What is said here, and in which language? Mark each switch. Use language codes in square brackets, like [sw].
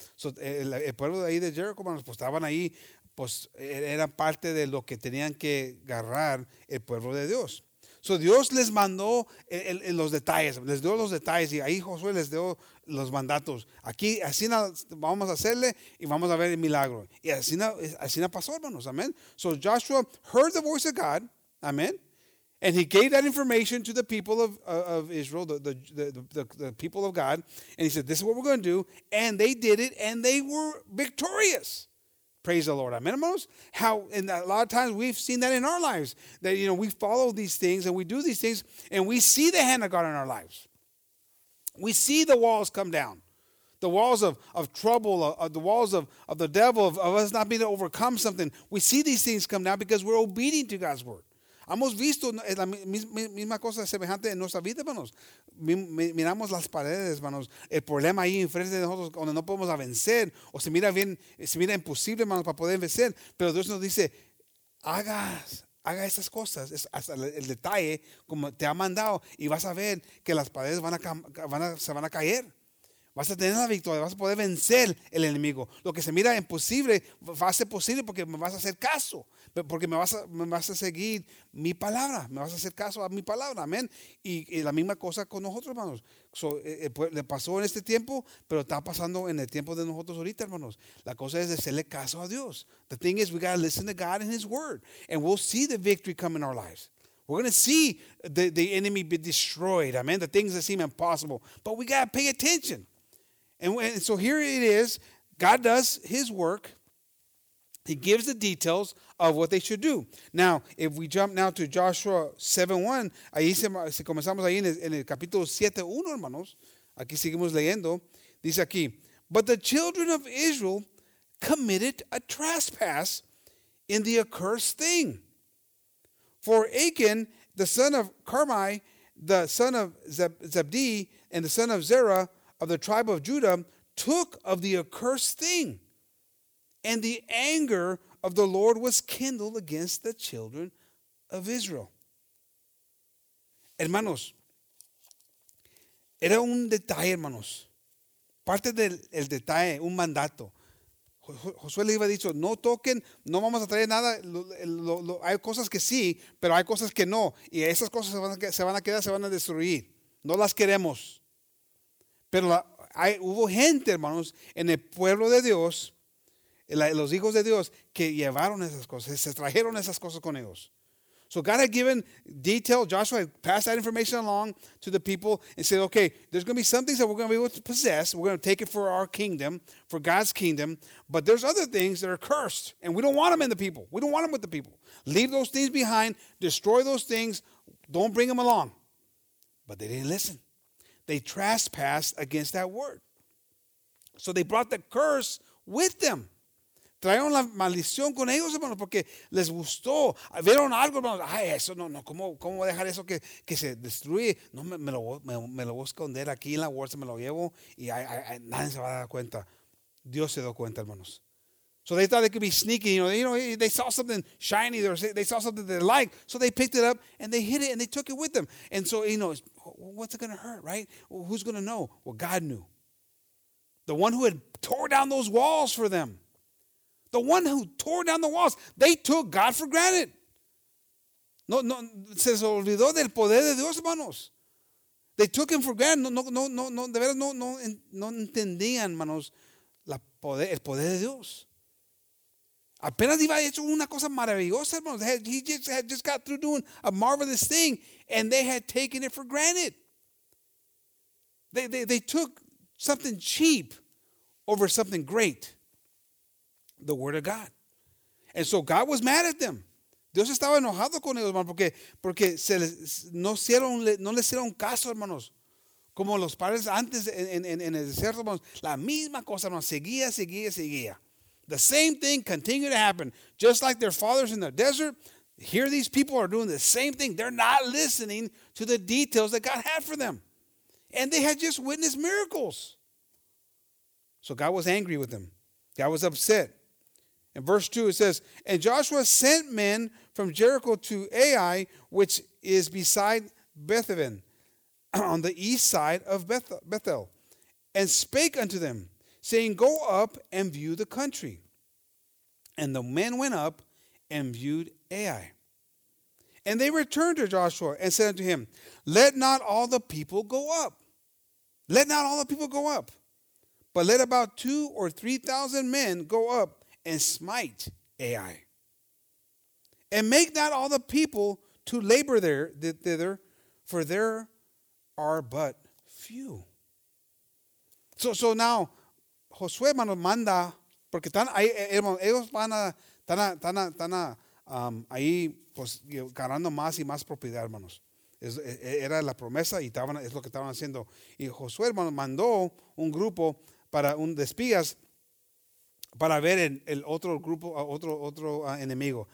[es] So, el pueblo de ahí de Jericho, hermanos, pues estaban ahí, pues eran parte de lo que tenían que agarrar el pueblo de Dios. So Dios les mandó los detalles, les dio los detalles y ahí Josué les dio los mandatos. Aquí, así vamos a hacerle y vamos a ver el milagro. Y así pasó, hermanos, amén. [en] So Joshua heard the voice of God, amén, and he gave that information to the people of Israel, the people of God, and he said, this is what we're going to do, and they did it, and they were victorious. Praise the Lord. Amen, hermanos. And a lot of times we've seen that in our lives, that, you know, we follow these things and we do these things and we see the hand of God in our lives. We see the walls come down. The walls of trouble, the walls of the devil, of us not being able to overcome something. We see these things come down because we're obedient to God's word. [es] Hemos visto la misma cosa semejante en nuestra vida, hermanos. Miramos las paredes, hermanos. El problema ahí enfrente de nosotros, donde no podemos vencer, o se mira bien, se mira imposible, hermanos, para poder vencer. Pero Dios nos dice, haga esas cosas, hasta el detalle, como te ha mandado, y vas a ver que las paredes se van a caer. Vas a tener la victoria, vas a poder vencer el enemigo. Lo que se mira imposible va a ser posible porque me vas a hacer caso, porque me vas a seguir mi palabra, me vas a hacer caso a mi palabra, amén. Y la misma cosa con nosotros, hermanos. Le pasó en este tiempo, pero está pasando en el tiempo de nosotros ahorita, hermanos. La cosa es de hacerle caso a Dios. [en] The thing is, we got to listen to God and His word, and we'll see the victory come in our lives. We're going to see the enemy be destroyed, amén. The things that seem impossible, but we got to pay attention. And so here it is, God does his work. He gives the details of what they should do. Now, if we jump now to Joshua 7:1, [es] ahí se comenzamos ahí en el capítulo 7:1, hermanos. Aquí seguimos leyendo. Dice aquí, [en] but the children of Israel committed a trespass in the accursed thing. For Achan, the son of Carmi, the son of Zabdi, and the son of Zerah, of the tribe of Judah, took of the accursed thing, and the anger of the Lord was kindled against the children of Israel. [es] Hermanos, era un detalle, hermanos. Parte del detalle, un mandato. Josué le iba a decir, no toquen, no vamos a traer nada. Hay cosas que sí, pero hay cosas que no. Y esas cosas se van a quedar, se van a destruir. No las queremos. Pero hubo gente, hermanos, en el pueblo de Dios, los hijos de Dios, que llevaron esas cosas, se trajeron esas cosas con ellos. [en] So God had given detail, Joshua had passed that information along to the people and said, okay, there's going to be some things that we're going to be able to possess. We're going to take it for our kingdom, for God's kingdom. But there's other things that are cursed, and we don't want them in the people. We don't want them with the people. Leave those things behind. Destroy those things. Don't bring them along. But they didn't listen. They trespassed against that word. So they brought the curse with them. [es] Trajeron la maldición con ellos, hermanos, porque les gustó. Vieron algo, hermanos. Ay, eso no. ¿Cómo voy a dejar eso que se destruye? No, me lo voy a esconder aquí en la bolsa, me lo llevo y nadie se va a dar cuenta. Dios se dio cuenta, hermanos. [en] So they thought they could be sneaky. You know, they saw something shiny. They saw something they liked. So they picked it up and they hid it and they took it with them. And so, you know, what's it going to hurt, right? Well, who's going to know? Well, God knew. The one who had tore down those walls for them. The one who tore down the walls. They took God for granted. [es] No, se olvidó del poder de Dios, hermanos. [en] They took him for granted. [es] No, de veras, no entendían, hermanos, el poder de Dios. Apenas iba a hacer una cosa maravillosa, hermanos. [en] He had just got through doing a marvelous thing, and they had taken it for granted. They took something cheap over something great, the word of God. And so God was mad at them. [es] Dios estaba enojado con ellos, hermanos, porque no les hicieron caso, hermanos. Como los padres antes en el desierto, hermanos. La misma cosa, hermanos. Seguía. [en] The same thing continued to happen. Just like their fathers in the desert, here these people are doing the same thing. They're not listening to the details that God had for them. And they had just witnessed miracles. So God was angry with them. God was upset. In verse 2 it says, and Joshua sent men from Jericho to Ai, which is beside Bethaven, on the east side of Bethel, and spake unto them, saying, go up and view the country. And the men went up and viewed Ai. And they returned to Joshua and said unto him, let not all the people go up. Let not all the people go up. But let about 2,000 or 3,000 men go up and smite Ai. And make not all the people to labor there thither, for there are but few. [es] So now, Josué, hermano, manda, porque están ahí, hermano, ellos van a, están ahí, pues, ganando más y más propiedad, hermanos. Era la promesa y estaban, es lo que estaban haciendo. Y Josué mandó un grupo para un de espías para ver el otro grupo, otro enemigo.